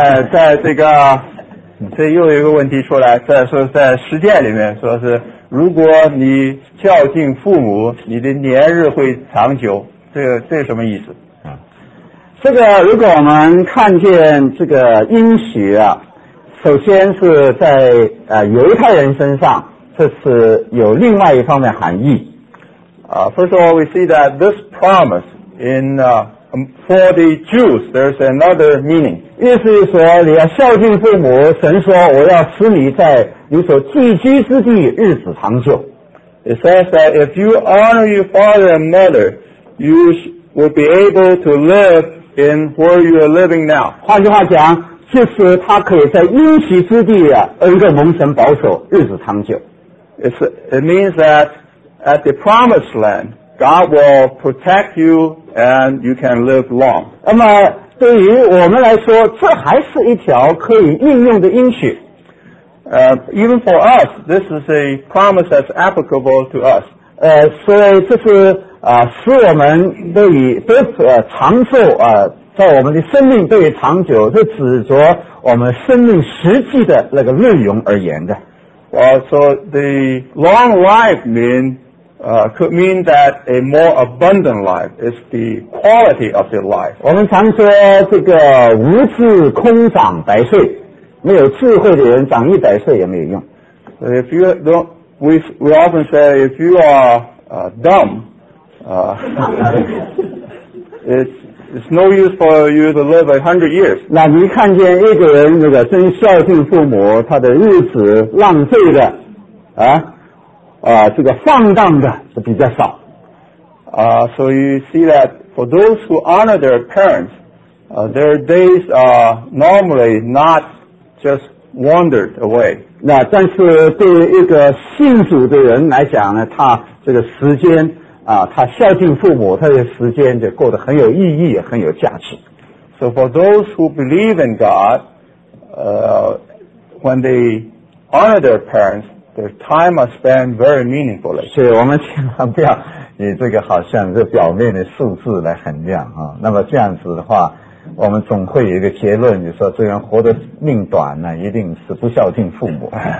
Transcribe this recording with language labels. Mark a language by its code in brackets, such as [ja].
[zh] 在这个这又有一个问题出来，在说在十诫里面说是如果你孝敬父母，你的年日会长久。这什么意思？这个如果我们看见这个应许啊，首先是在犹太人身上，这是有另外一方面含义。 [en] First of all, we see that this promise in, for the Jews, there's another meaning. [zh] 意思是说你要孝敬父母，神说我要使你在你所寄居之地日子长久。 [en] It says that if you honor your father and mother, you will be able to live in where you are living now. [zh] 换句话讲，就是他可以在应许之地啊，恩个蒙神保守，日子长久。 [en] It means that,At the promised land, God will protect you and you can live long. [zh] 那么对于我们来说这还是一条可以应用的应许。 [en] Even for us, this is a promise that's applicable to us. [zh] 所以这是使我们都长寿在我们的生命对于长久是指着我们生命实际的那个内容而言的。 [en] So the long life could mean that a more abundant life is the quality of the life. [zh] 我们常说这个无智空长百岁，没有智慧的人长一百岁也没有用。 [en] So if you don't, we often say if you are dumb, it's no use for you to live 100 years. [zh] 那你看见一个人那个真孝敬父母，他的日子浪费的啊？这个放荡的是比较少。 [en] So you see that for those who honor their parents, their days are normally not just wandered away. [zh] 那但是对于一个信主的人来讲呢，他这个时间他孝敬父母，他的时间就过得很有意义，很有价值。 [en] So for those who believe in God, when they honor their parents,Their time are spent very meaningfully. [zh] 所以我们千万不要以这个好像这表面的数字来衡量啊。那么这样子的话，我们总会有一个结论，就说这人活得命短呢，一定是不孝敬父母。